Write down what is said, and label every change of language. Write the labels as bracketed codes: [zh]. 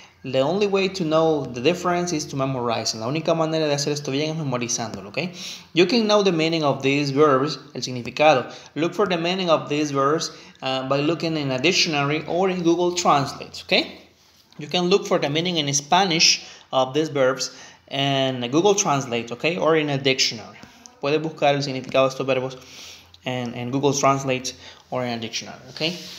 [en] The only way to know the difference is to memorize. [es] La única manera de hacer esto bien es memorizándolo. [en] Okay? You can know the meaning of these verbs, [es] el significado. [en] Look for the meaning of these verbs by looking in a dictionary or in Google Translate. Okay? You can look for the meaning in Spanish of these verbs en Google Translate, ¿ok? Or in a dictionary. [es] Puedes buscar el significado de estos verbos en Google Translate [en] or in a dictionary, [es] ¿ok?